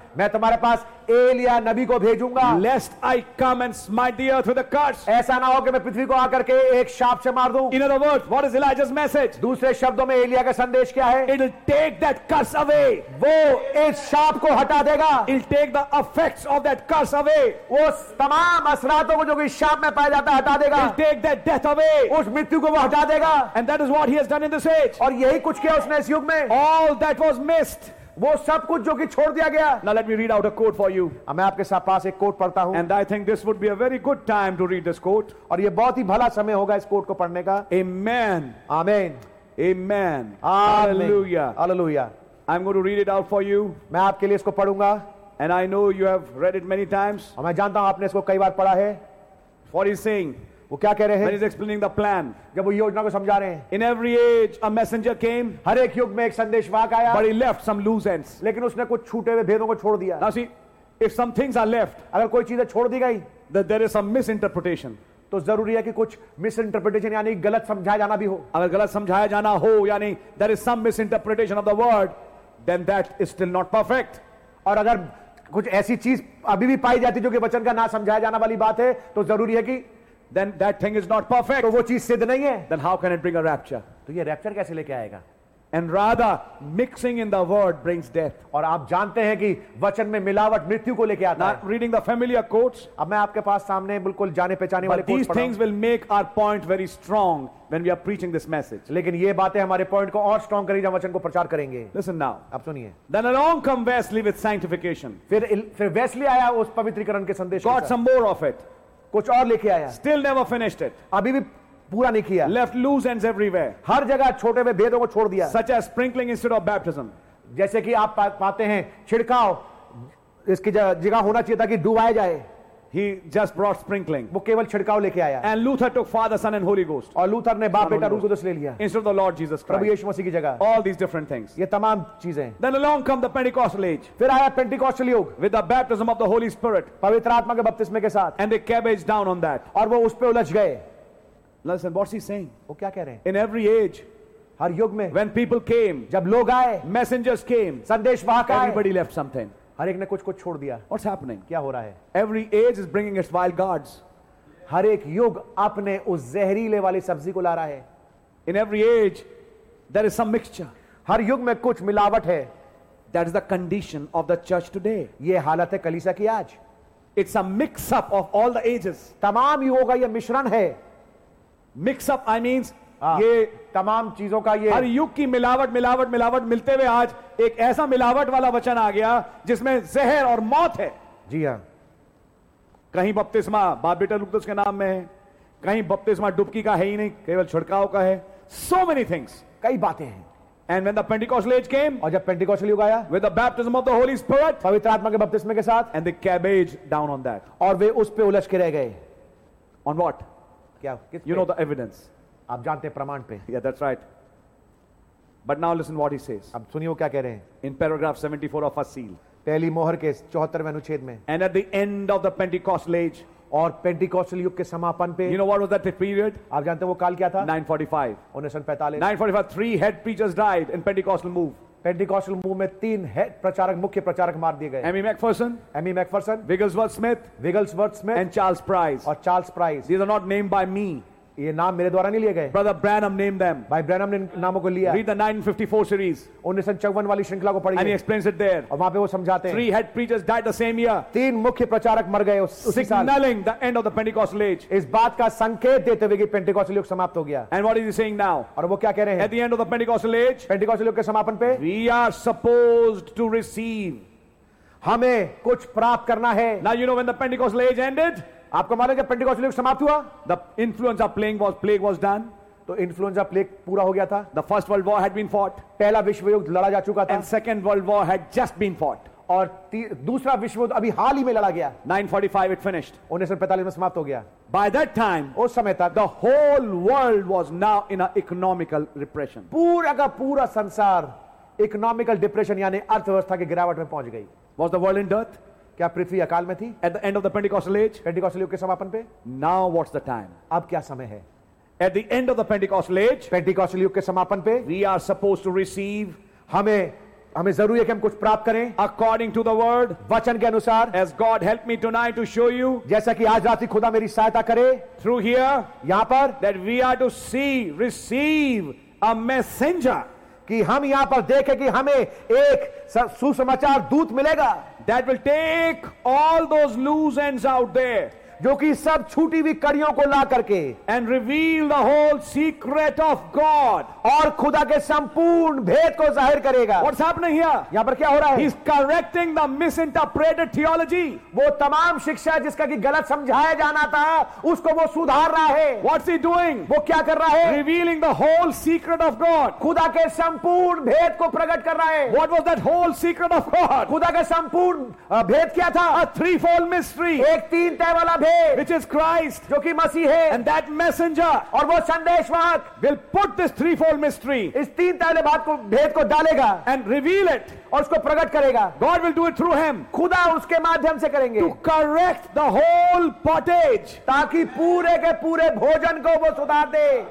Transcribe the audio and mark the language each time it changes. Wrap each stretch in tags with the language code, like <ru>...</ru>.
<hi>मैं तुम्हारे पास एलिया नबी को भेजूंगा.</hi> <en>Lest I come and smite the earth with a curse.</en> <hi>ऐसा ना हो कि मैं पृथ्वी को आकर के एक शाप से मार दूं.</hi> <en>In other words, what is Elijah's message?</en> <hi>दूसरे शब्दों में एलिया का संदेश क्या है?</hi> <en>It'll take that curse away.</en> <hi>वो इस शाप को हटा देगा.</hi> <en>It'll take the effects of that curse away.</en> <hi>वो तमाम असरातों को जो कि शाप में पाया जाता है हटा देगा.</hi> <en>It'll take that death away.</en> <hi>उस मृत्यु को वो हटा देगा.</hi> <en>And that is what he has done in this age.</en> <hi>और यही कुछ किया उसने इस युग में.</hi> <en>All that was missed.</en> <hi>वो सब कुछ जो कि छोड़ दिया गया.</hi> <en>Now let me read out a quote for you.</en> <hi>मैं आपके साथ पास एक कोट पढ़ता हूं.</hi> <en>And I think this would be a very good time to read this quote.</en> <hi>और ये बहुत ही भला समय होगा इस कोट को पढ़ने का.</hi> <en>Amen. Amen. Amen. Hallelujah. Hallelujah. I'm going to read it out for you.</en> <hi>मैं आपके लिए इसको पढ़ूंगा.</hi> <en>And I know you have read it many times.</en> <hi>और मैं जानता हूं आपने इसको कई बार पढ़ा है.</hi> <en>What he's saying.</en> <hi>वो क्या कह रहे हैं?</hi> <en>When he's explaining the plan.</en> <hi>जब वो योजना को समझा रहे हैं.</hi> <en>In every age, a messenger came.</en> <hi>हर एक युग में एक संदेशवाहक आया.</hi> <en>But he left some loose ends.</en> <hi>लेकिन उसने कुछ छूटे हुए भेदों को छोड़ दिया.</hi> <en>Now see, if some things are left,</en> <hi>अगर कोई चीजें छोड़ दी गई,</hi> <en>then there is some misinterpretation.</en> <hi>तो जरूरी है कि कुछ मिसइंटरप्रिटेशन यानी गलत समझाया जाना भी हो. अगर गलत समझाया जाना हो यानी</hi> <en>there is some misinterpretation of the word, then that is still not perfect.</en> <hi>और अगर कुछ ऐसी चीज अभी भी पाई जाती जो कि वचन का ना समझाया जाना वाली बात है तो जरूरी है कि</hi> <en>then that thing is not perfect.</en> <hi>तो वो चीज सिद्ध नहीं है.</hi> <en>Then how can it bring a rapture?</en> <hi>तो ये रैप्चर कैसे लेके आएगा?</hi> <en>And rather mixing in the word brings death.</en> <hi>और आप जानते हैं कि वचन में मिलावट मृत्यु को लेके आता है.</hi> <en>Reading the familiar quotes.</en> <hi>अब मैं आपके पास सामने बिल्कुल जाने पहचाने वाले</hi> <en>quotes. These things will make our point very strong when we are preaching this message.</en> <hi>लेकिन ये बातें हमारे पॉइंट को और स्ट्रॉन्ग करेगी जब वचन को प्रचार करेंगे.</hi> <en>Listen now.</en> <hi>अब सुनिए.</hi> <en>Then along come Wesley with sanctification.</en> <hi>फिर वेस्ली आया उस पवित्रीकरण के संदेश.</hi> <en>Got some more of it.</en> <hi>कुछ और लेके आया.</hi> <en>Still never finished it.</en> <hi>अभी भी पूरा नहीं किया.</hi> <en>Left loose ends everywhere.</en> <hi>हर जगह छोटे में भेदों को छोड़ दिया.</hi> <en>Such as sprinkling instead of baptism.</en> <hi>जैसे कि आप पाते हैं छिड़काव इसकी जगह होना चाहिए था कि डुबाया जाए.</hi> <en>He just brought sprinkling.</en> <hi>वो केवल छिड़काव लेके आया.</hi> <en>And Luther took Father, Son, and Holy Ghost.</en> <hi>और लूथर ने बाप बेटा रूह कुदस ले लिया.</hi> <en>Instead of the Lord Jesus Christ.</en> <hi>प्रभु यीशु मसीह की जगह.</hi> <en>All these different things.</en> <hi>ये तमाम चीजें.</hi> <en>Then along come the Pentecostal age.</en> <hi>फिर आया Pentecostal युग.</hi> <en>With the baptism of the Holy Spirit.</en> <hi>पवित्र आत्मा के बपतिस्मे के साथ.</hi> <en>And they cabbaged down on that.</en> <hi>और वो उस पे उलझ गए.</hi> <en>Listen, what's he saying?</en> <hi>वो क्या कह रहे हैं?</hi> <en>In every age.</en> <hi>हर युग में.</hi> <en>When people came.</en> <hi>जब लोग आए.</hi> <en>Messengers came.</en> <hi>संदेश वाहक आए.</hi> <en>Everybody left something.</en> <hi>हर एक ने कुछ कुछ छोड़ दिया.</hi> <en>What's happening?</en> <hi>क्या हो रहा है?</hi> <en>Every age is bringing its wild gods.</en> <hi>हर एक युग अपने उस जहरीले वाली सब्जी को ला रहा है.</hi> <en>In every age, there is some mixture.</en> <hi>हर युग में कुछ मिलावट है.</hi> <en>That is the condition of the church today.</en> <hi>ये हालत है कलीसिया की आज.</hi> <en>It's a mix-up of all the ages.</en> <hi>तमाम युगों का ये मिश्रण है.</hi> <en>Mix-up, I means.</en> <hi>ये तमाम चीजों का ये हर युग की मिलावट मिलावट मिलावट मिलते हुए आज एक ऐसा मिलावट वाला वचन आ गया जिसमें जहर और मौत है. जी हाँ. कहीं बपतिस्मा बाप बेटा रूह कुदस के नाम में है, कहीं बपतिस्मा डुबकी का है ही नहीं, केवल छिड़काव का है.</hi> <en>so many things,</en> <hi>कई बातें हैं.</hi> <en>and when the Pentecostal age came,</en> <hi>और जब पेंटिकॉस्टल युग आया,</hi> <en>with the baptism of the Holy Spirit,</en> <hi>पवित्र आत्मा के बपतिस्मे के साथ,</hi> <en>and they cabbage down on that,</en> <hi>और वे उस पे उलझ के रह गए.</hi> <en>On what?</en> <hi>क्या?</hi> <en>You know the evidence.</en> <hi>आप जानते हैं प्रमाण पे.</hi> <en>Yeah, that's right. But now listen what he says.</en> <hi>अब सुनिए वो क्या कह रहे हैं.</hi> <en>In paragraph 74 of our seal.</en> <hi>पहली मोहर के 74वें अनुच्छेद में.</hi> <en>And at the end of the Pentecostal age.</en> <hi>और पेंटिकॉस्टल युग के समापन पे.</hi> <en>You know what was that period?</en> <hi>आप जानते हैं वो काल क्या था?</hi> <en>945. 945 three head preachers died in Pentecostal move.</en> <hi>Pentecostal move में तीन हेड प्रचारक मुख्य प्रचारक मार दिए गए.</hi> <en>Aimee McPherson, Wigglesworth Smith and Charles Price. These are not named by me.</en> <hi>ये नाम मेरे द्वारा नहीं लिए गए.</hi> <en>Brother Branham named them.</en> <hi>भाई ब्रैनम ने नामों को लिया.</hi> <en>Read the 954 series.</en> <hi>1954 वाली श्रृंखला को पढ़िए.</hi> <en>And he explains it there.</en> <hi>और वहाँ पे वो समझाते हैं.</hi> <en>Three head preachers died the same year.</en> <hi>तीन मुख्य प्रचारक मर गए उसी साल.</hi> <en>Signaling the end of the Pentecostal age.</en> <hi>इस बात का संकेत देते हुए कि पेंटिकॉस्टल युग समाप्त हो गया.</hi> <en>And what is he saying now?</en> <hi>और वो क्या कह रहे हैं?</hi> <en>At the end of the Pentecostal age.</en> <hi>Pentecostal युग के समापन पे.</hi> <en>We are supposed to receive.</en> <hi>हमें कुछ प्राप्त करना है.</hi> <en>Now you know when the Pentecostal age ended.</en> <hi>आपको मालूम है पेंटिकॉस्टल युग समाप्त हुआ?</hi> <en>The influenza plague was done.</en> <hi>तो इन्फ्लुएंजा प्लेग पूरा हो गया था.</hi> <en>The first world war had been fought.</en> <hi>पहला विश्व युद्ध लड़ा जा चुका था.</hi> <en>And second world war had just been fought.</en> <hi>और दूसरा विश्व युद्ध अभी हाल ही में लड़ा गया.</hi> <en>945 it finished.</en> <hi>1945 में समाप्त हो गया.</hi> <en>By that time,</en> <hi>उस समय तक,</hi> <en>the whole world was now in an economical repression.</en> <hi>पूरा का पूरा संसार इकोनॉमिकल डिप्रेशन यानी अर्थव्यवस्था की गिरावट में पहुंच गई.</hi> <en>Was the world in dearth?</en> <hi>क्या पृथ्वी अकाल में थी?</hi> <en>At the end of the Pentecostal age,</en> <hi>Pentecostal युग के समापन पे.</hi> <en>Now what's the time?</en> <hi>अब क्या समय है?</hi> <en>At the end of the Pentecostal age,</en> <hi>Pentecostal युग के समापन पे.</hi> <en>We are supposed to receive.</en> <hi>हमें जरूरी है कि हम कुछ प्राप्त करें.</hi> <en>According to the word,</en> <hi>वचन के अनुसार.</hi> <en>As God help me tonight to show you,</en> <hi>जैसा कि आज रात ही खुदा मेरी सहायता करे.</hi> <en>Through here,</en> <hi>यहाँ पर.</hi> <en>That we are to see, receive a messenger.</en> <hi>कि हम यहां पर देखें कि हमें एक सुसमाचार दूत मिलेगा.</hi> <en>That will take all those loose ends out there.</en> <hi>जो कि सब छूटी हुई कड़ियों को ला करके.</hi> <en>And reveal the whole secret of God.</en> <hi>और खुदा के संपूर्ण भेद को जाहिर करेगा.</hi> <en>What's happening here?</en> <hi>यहां पर क्या हो रहा है?</hi> <en>He's correcting the misinterpreted theology.</en> <hi>वो तमाम शिक्षा जिसका कि गलत समझाया जाना था उसको वो सुधार रहा है.</hi> <en>What's he doing?</en> <hi>वो क्या कर रहा है?</hi> <en>Revealing the whole secret of God.</en> <hi>खुदा के संपूर्ण भेद को प्रकट कर रहा है.</hi> <en>What was that whole secret of God?</en> <hi>खुदा का संपूर्ण भेद क्या था?</hi> <en>A threefold mystery.</en> <hi>एक तीन तह वाला</hi> <en>which is Christ,</en> <hi>जो कि मसीह है,</hi> <en>and that messenger,</en> <hi>और वो संदेशवाहक,</hi> <en>will put this threefold mystery,</en> <hi>इस तीन तरह के बात को भेद को डालेगा,</hi> <en>and reveal it,</en> <hi>और उसको प्रकट करेगा.</hi> <en>God will do it through him,</en> <hi>खुदा उसके माध्यम से करेंगे,</hi> <en>to correct the whole pottage,</en> <hi>ताकि पूरे के पूरे भोजन को वो सुधार दे,</hi>